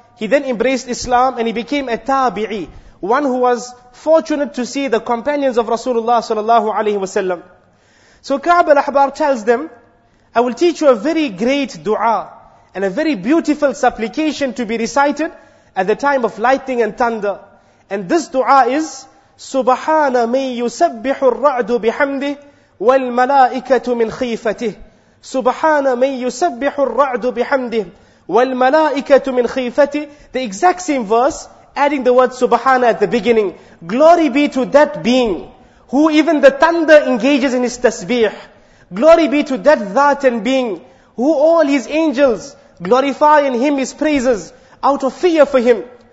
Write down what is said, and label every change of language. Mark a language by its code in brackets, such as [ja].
[en] He then embraced Islam and he became a tabi'i, one who was fortunate to see the companions of Rasulullah sallallahu alaihi wasallam. So Ka'b al-Ahbar tells them, I will teach you a very great dua and a very beautiful supplication to be recited at the time of lightning and thunder. And this dua is, [ar] سُبْحَانَ مَنْ يُسَبِّحُ الرَّعْدُ بِحَمْدِهِ وَالْمَلَائِكَةُ مِنْ خِيفَتِهِ سُبْحَانَ مَنْ يُسَبِّحُ الرَّعْدُ بِحَمْدِهِ وَالْمَلَائِكَةُ مِنْ خِيفَتِهِ. [en] The exact same verse, adding the word سُبْحَانَ at the beginning. Glory be to that being who even the thunder engages in his tasbih. Glory be to that that and being who all his angels glorify in him his praises out of fear for him.